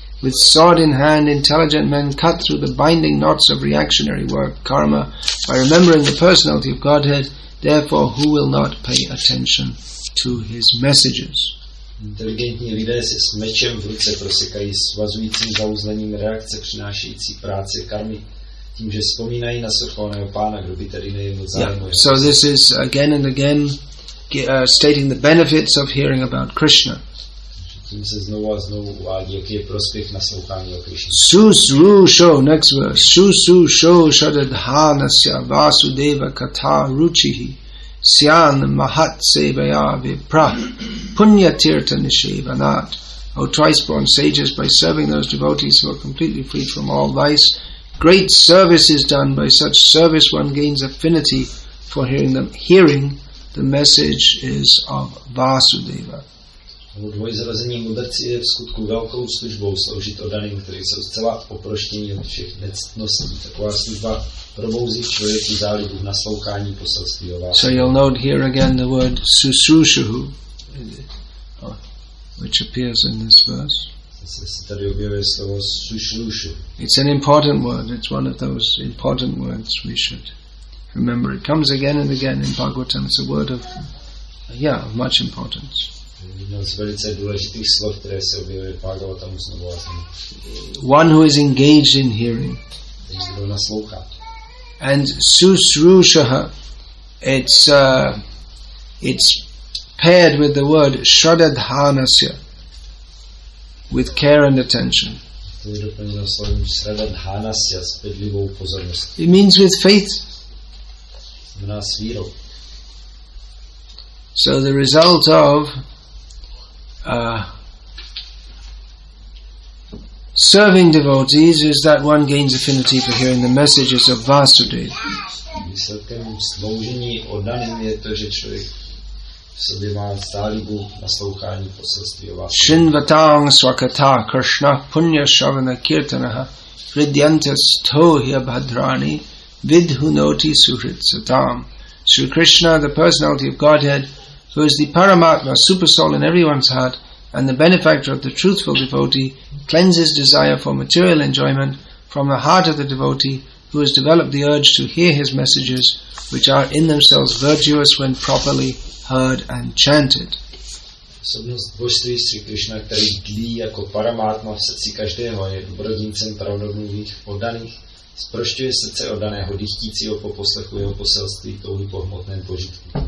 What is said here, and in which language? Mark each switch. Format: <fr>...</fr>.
<en>With sword in hand, intelligent men cut through the binding knots of reactionary work karma by remembering the personality of Godhead. Therefore, who will not pay attention to his messages?</en> <cs>Inteligentní lidé se s mečem v ruce prosekají svazujícím zauzlením reakce přinášející práce karmy, tím, že vzpomínají na svrchovaného pána, kdo by tady nejen zájmu.</cs> <en>Yeah. So this is again and again stating the benefits of hearing about Krishna.</en> <cs>Tím se znovu a znovu uvádí, jaký je prospěch naslouchání o Krishna.</cs> <sa>Susru show,</sa> <en>next verse.</en> <sa>Susru show shadadhanasya vasudeva katha ruchihi. Sian mahatsevaya vipra punyatirta nishevanat.</sa> <en>O twice-born sages, by serving those devotees who are completely freed from all vice, great service is done. By such service one gains affinity for hearing the message is of Vasudeva.</en> <cs>O dvojzrození mudrci je v skutku velkou službou sloužit odaným, kteří jsou zcela oproštění od všech nectností. Taková služba probouzí v člověku zálibu v naslouchání poselství o vás.</cs> <en>So you'll note here again the word susrushuhu, which appears in this verse.</en> <cs>Zase se tady objevuje slovo susrushu.</cs> <en>It's an important word. It's one of those important words we should remember. It comes again and again in Bhagavatam. It's a word of, yeah, of much importance.</en> <cs>Jedno z velice důležitých slov, které se objevuje Bhagavatam znovu a znovu.</cs> <en>One who is engaged in hearing.</en> <cs>Ten, kdo naslouchá.</cs> <en>And susrushaha, it's paired with the word shraddhanasya, with care and attention.</en> <cs>To je doplněno slovem shraddhanasya, s bedlivou pozorností.</cs> <en>It means with faith.</en> <cs>Znamená s vírou.</cs> <en>So the result of serving devotees is that one gains affinity for hearing the messages of Vasudeva.</en> <sa>Shinvatam swakata krishna punya shavana kirtanaha vidyantas tohya bhadrani vidhunoti suhrit satam.</sa> <en>Sri Krishna, the personality of Godhead, who is the paramatma, super soul in everyone's heart, and the benefactor of the truthful devotee, cleanses desire for material enjoyment from the heart of the devotee who has developed the urge to hear his messages, which are in themselves virtuous when properly heard and chanted.</en> <cs>Osobnost božství Sri Krishna, který dlí jako paramátma v srdci každého, je dobrodincem pravdomluvých oddaných, zprošťuje srdce oddaného dýchtícího po poslechu jeho poselství touhy po hmotném požitku.</cs>